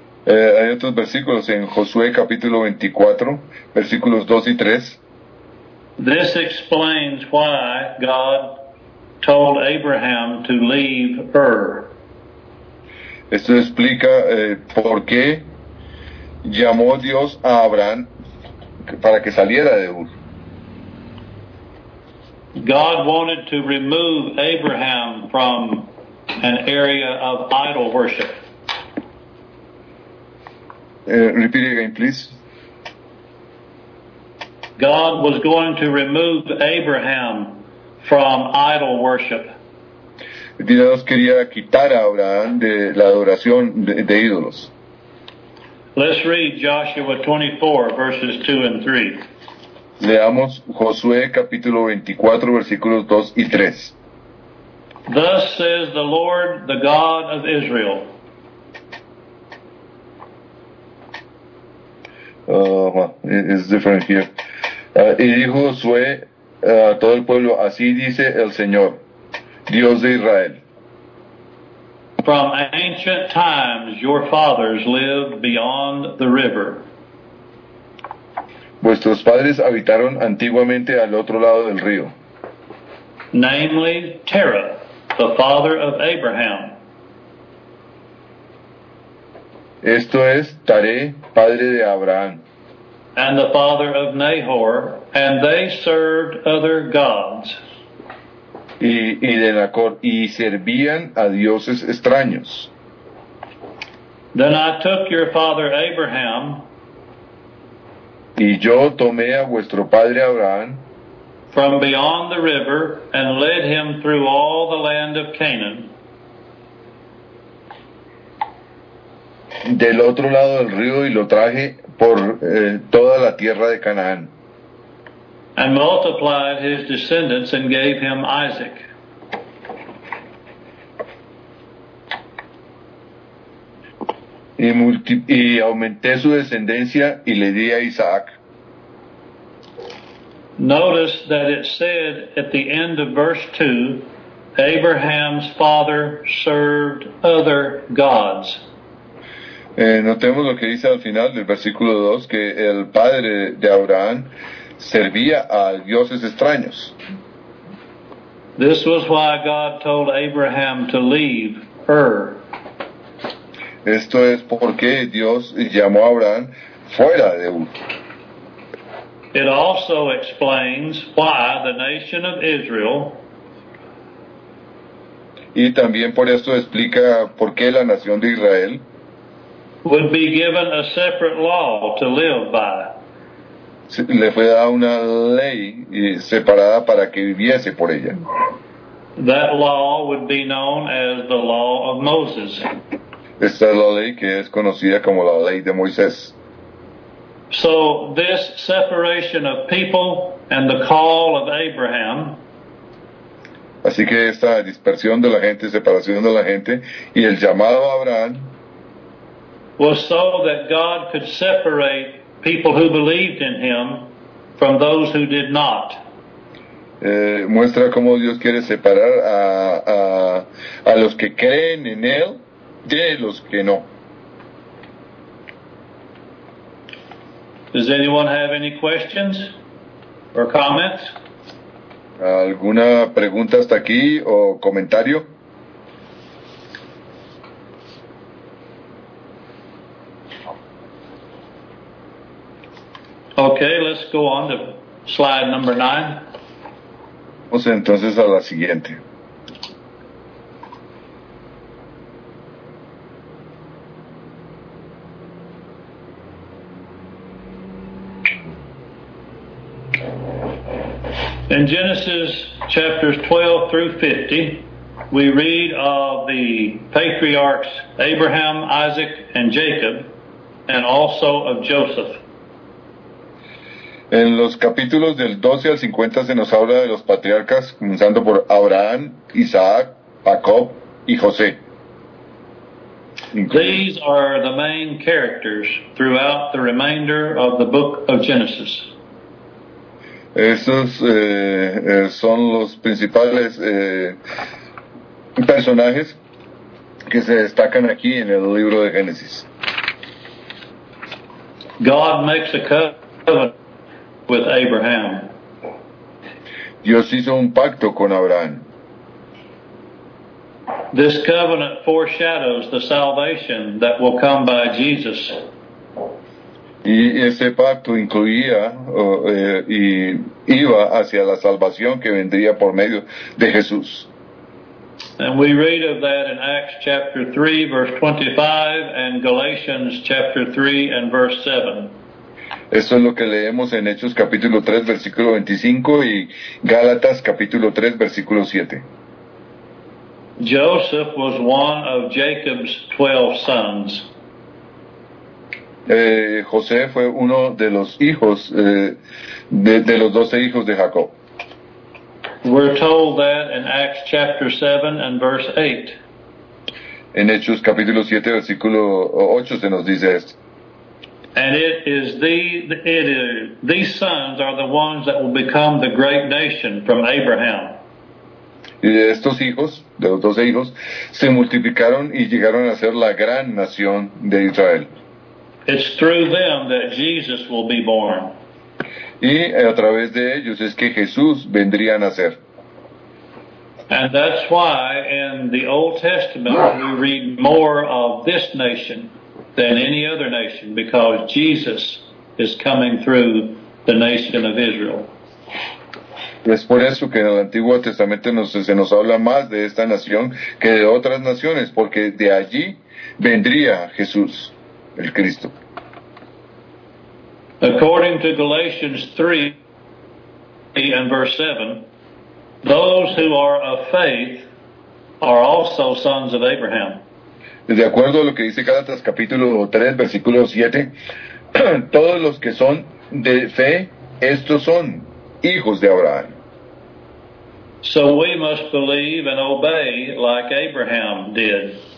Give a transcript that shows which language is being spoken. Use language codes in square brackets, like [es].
[es] Hay otros versículos en Josué capítulo 24, versículos 2 y 3. [en] This explains why God told Abraham to leave Ur. [es] Esto explica por qué llamó Dios a Abraham para que saliera de Ur. [en] God wanted to remove Abraham from an area of idol worship. Repeat again, please. God was going to remove Abraham from idol worship. [es] Dios quería quitar a Abraham de la adoración de ídolos. [en] Let's read Joshua 24, verses 2 and 3. [es] Leamos Josué capítulo 24, versículos 2 y 3. [en] Thus says the Lord, the God of Israel. It's different here. [es] Y dijo Josué a todo el pueblo, así dice el Señor, Dios de Israel. [en] From ancient times, your fathers lived beyond the river. [es] Vuestros padres habitaron antiguamente al otro lado del río. [en] Namely, Terah, the father of Abraham. [es] Esto es Taré, padre de Abraham. [en] And the father of Nahor, and they served other gods. [es] Y de Nacor, y servían a dioses extraños. [en] Then I took your father Abraham. [es] Y yo tomé a vuestro padre Abraham. [en] From beyond the river, and led him through all the land of Canaan. [es] Del otro lado del río, y lo traje por toda la tierra de Canaán. [en] And multiplied his descendants and gave him Isaac. [es] Y aumenté su descendencia y le di a Isaac. [en] Notice that it said at the end of verse 2, Abraham's father served other gods. [es] Notemos lo que dice al final del versículo 2, que el padre de Abraham servía a dioses extraños. [en] This was why God told Abraham to leave Ur. [es] Esto es porque Dios llamó a Abraham fuera de Ur. [en] It also explains why the nation of Israel. [es] Y también por esto explica por qué la nación de Israel [en] would be given a separate law to live by. [es] Le fue dada una ley separada para que viviese por ella. [en] That law would be known as the law of Moses. [es] Esta es la ley que es conocida como la ley de Moisés. [en] So this separation of people and the call of Abraham. [es] Así que esta dispersión de la gente, separación de la gente y el llamado a Abraham [en] was so that God could separate people who believed in him from those who did not. [es] Muestra cómo Dios quiere separar a los que creen en él de los que no. [en] Does anyone have any questions or comments? [es] ¿Alguna pregunta hasta aquí o comentario? [en] Okay, let's go on to slide number 9. [es] Vamos entonces a la siguiente. [en] In Genesis chapters 12 through 50, we read of the patriarchs Abraham, Isaac, and Jacob, and also of Joseph. [es] En los capítulos del 12 al 50 se nos habla de los patriarcas, comenzando por Abraham, Isaac, Jacob y José. [en] These are the main characters throughout the remainder of the book of Genesis. [es] Esos son los principales personajes que se destacan aquí en el libro de Génesis. [en] God makes a covenant with Abraham. [es] Dios hizo un pacto con Abraham. [en] This covenant foreshadows the salvation that will come by Jesus. [es] Y ese pacto incluía y iba hacia la salvación que vendría por medio de Jesús. [en] And we read of that in Acts chapter 3 verse 25 and Galatians chapter 3 and verse 7. [es] Eso es lo que leemos en Hechos capítulo 3 versículo 25 y Gálatas capítulo 3 versículo 7. [en] Joseph was one of Jacob's 12 sons. [es] José fue uno de los hijos de los 12 hijos de Jacob. [en] We're told that in Acts chapter 7 and verse 8. [es] En Hechos capítulo 7 versículo 8 se nos dice esto. [en] And these sons are the ones that will become the great nation from Abraham. [es] Y estos hijos, de los 12 hijos, se multiplicaron y llegaron a ser la gran nación de Israel. [en] It's through them that Jesus will be born. [es] Y a través de ellos es que Jesús vendría a nacer. [en] And that's why in the Old Testament we read more of this nation than any other nation, because Jesus is coming through the nation of Israel. [es] Es por eso que en el Antiguo Testamento se nos habla más de esta nación que de otras naciones, porque de allí vendría Jesús, el Cristo. [en] According to Galatians 3 and verse 7, those who are of faith are also sons of Abraham. [es] De acuerdo a lo que dice Gálatas capítulo 3 versículo 7, todos los que son de fe, estos son hijos de Abraham. [en] So we must believe and obey like Abraham did.